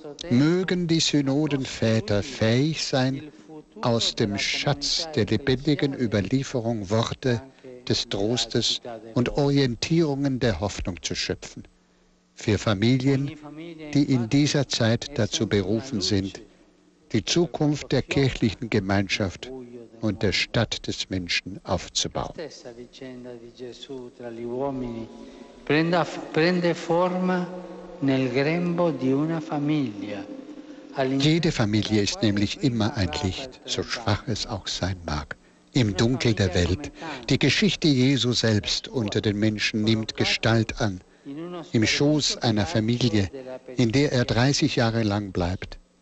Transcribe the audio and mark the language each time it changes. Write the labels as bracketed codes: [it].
[de] Mögen die Synodenväter fähig sein, aus dem Schatz der lebendigen Überlieferung Worte des Trostes und Orientierungen der Hoffnung zu schöpfen, für Familien, die in dieser Zeit dazu berufen sind, die Zukunft der kirchlichen Gemeinschaft und der Stadt des Menschen aufzubauen. [it] Stessa vicenda di Gesù tra gli uomini prende forma nel grembo di una famiglia. [de] Jede Familie ist nämlich immer ein Licht, so schwach es auch sein mag. Im Dunkel der Welt, die Geschichte Jesu selbst unter den Menschen nimmt Gestalt an, im Schoß einer Familie, in der er 30 Jahre lang bleibt.